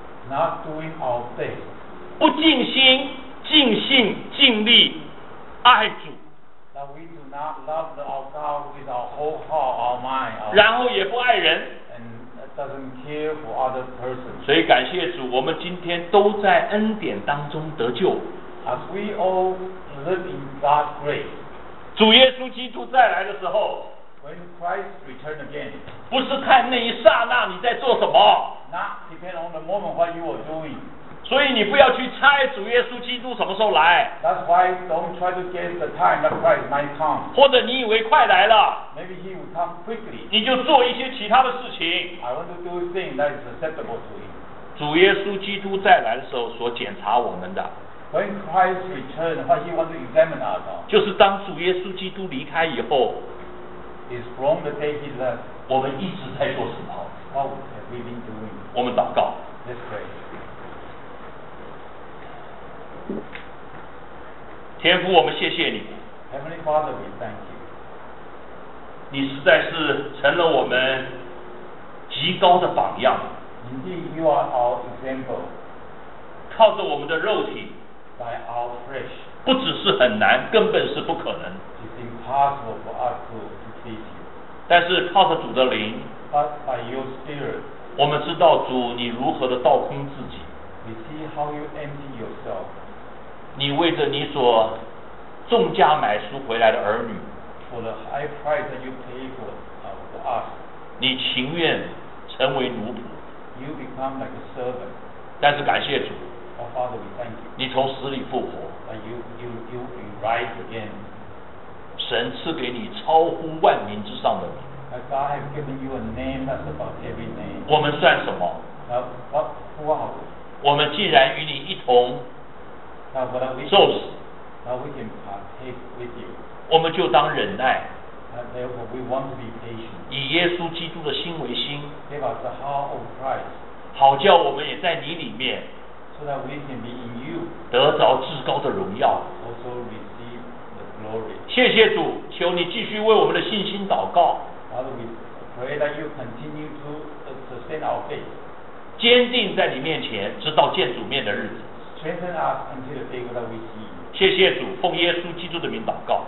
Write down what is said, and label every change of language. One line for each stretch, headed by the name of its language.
English: Not doing our best.
Chinese: 不尽心、尽性、尽力爱主。
English: That we do not love our God with our whole heart, our mind.
Chinese: 然后也不爱人。
English: And doesn't care for other person.
Chinese: 所以感谢主，我们今天都在恩典当中得救。
English: As we all live in God's grace,
Chinese: 主耶稣基督再来的时候
English: ，When Christ returns again,
Chinese: 不是看那一刹那你在做什么
English: ，Not depend on the moment what you are doing.
Chinese: 所以你不要去猜主耶稣基督什么时候来。
English: That's why don't try to guess the time that Christ might come.
Chinese: 或者你以为快来了。
English: Maybe he will come quickly.
Chinese: 你就做一些其他的事情。
English: I want to do things that is acceptable to him.
Chinese: 主耶稣基督再来的时候所检查我们的。
English: When Christ returns, what he wants to examine us.
Chinese: 就是当主耶稣基督离开以后。
English: Is from the day he left.
Chinese: 我们一直在做什么
English: ？What have we been doing?
Chinese: 我们祷告。
English: Let's pray.
Chinese: 天父，我们谢谢你。
English: Heavenly Father, we thank you.
Chinese: 你实在是成了我们极高的榜样。
English: Indeed, you are our example.
Chinese: 靠着我们的肉体。
English: By our flesh.
Chinese: 不只是很难，根本是不可能。
English: It's impossible for us to please you.
Chinese: 但是靠着主的灵。
English: But by your spirit.
Chinese: 我们知道主，你如何的倒空自己。
English: We see how you empty yourself.
Chinese: 你为着你所重价买赎回来的儿女
English: ，for the high price that you pay for us.
Chinese: 你情愿成为奴仆
English: ，you become like a servant.
Chinese: 但是感谢主
English: ，Our Father, we thank you.
Chinese: 你从死里复活
English: ，and you rise again.
Chinese: 神赐给你超乎万民之上的名
English: ，God has given you a name that's about every name.
Chinese: 我们算什么
English: ？Who are we?
Chinese: 我们既然与你一同受死
English: now we can partake with you.
Chinese: 我们就当忍耐
English: therefore we want to be patient.
Chinese: 以耶稣基督的心为心
English: Give us the heart of Christ.
Chinese: 好叫我们也在你里面
English: so that we can be in you.
Chinese: 得着至高的荣耀
English: also receive the glory.
Chinese: 谢谢主求你继续为我们的信心祷告
English: Father we pray that you continue to sustain our faith.
Chinese: 坚定在你面前，直到见主面的日子。
English: Strengthen us until the day that we see you.
Chinese: 谢谢主，奉耶稣基督的名祷告。